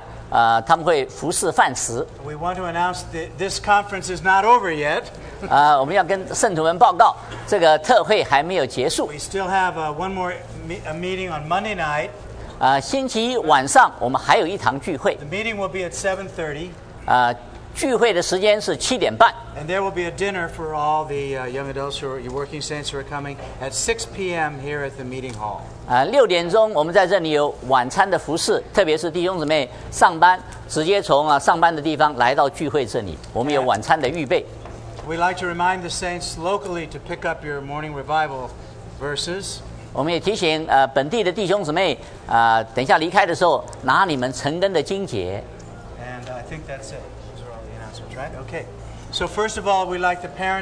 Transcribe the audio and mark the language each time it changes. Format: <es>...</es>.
<zh>楼下弟兄姊妹可以到楼下，他们会服侍饭食。</zh> <en>We want to announce that this conference is not over yet.</en> <zh>我们要跟圣徒们报告，这个特会还没有结束。</zh> <en>We still have one more meeting on Monday night.</en> <zh>星期一晚上我们还有一堂聚会。</zh> <en>The meeting will be at 7:30.</en> <zh>聚会的时间是7:30</zh> <en>And there will be a dinner for all the young adults who are working saints who are coming at 6 p.m. here at the meeting hall.</en> <zh>6点钟我们在这里有晚餐的服事，特别是弟兄姊妹上班，直接从上班的地方来到聚会这里，我们有晚餐的预备。</zh> <en>We like to remind the saints locally to pick up your morning revival verses.</en> <zh>我们也提醒本地的弟兄姊妹，等一下离开的时候拿你们晨更的经节。</zh> <en>And I think that's it. Okay, so first of all, we'd like the parents</en>